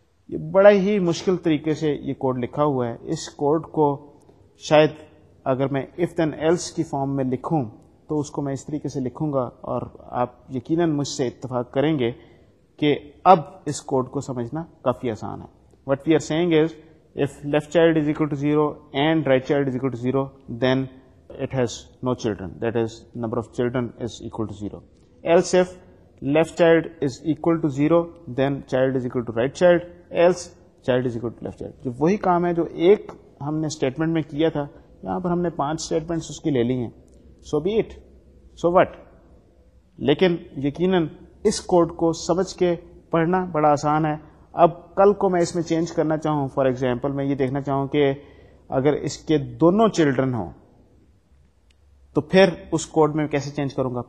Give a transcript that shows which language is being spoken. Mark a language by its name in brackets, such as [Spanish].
[Urdu] یہ بڑا ہی مشکل طریقے سے یہ کوڈ لکھا ہوا ہے. اس کوڈ کو شاید اگر میں اف دین ایلس کی فارم میں لکھوں تو اس کو میں اس طریقے سے لکھوں گا, اور آپ یقیناً مجھ سے اتفاق کریں گے کہ اب اس کوڈ کو سمجھنا کافی آسان ہے. [English] What we are saying is, if left child is equal to 0 and right child is equal to 0, then it has no children. That is, number of children is equal to 0. Else if left child is equal to 0, then child is equal to right child. Else, child is equal to left child. [Urdu] جو وہی کام ہے جو ایک ہم نے statement میں کیا تھا, یہاں پر ہم نے پانچ اسٹیٹمنٹس اس کی لے لی ہیں. [English] So be it. So what? [Urdu] لیکن یقیناً اس کوڈ کو سمجھ کے پڑھنا بڑا آسان ہے. اب کل کو میں اس میں چینج کرنا چاہوں, [English] for example [Urdu] میں یہ دیکھنا چاہوں کہ اگر اس کے دونوں چلڈرن ہوں تو پھر اس کوڈ میں کیسے چینج کروں گا.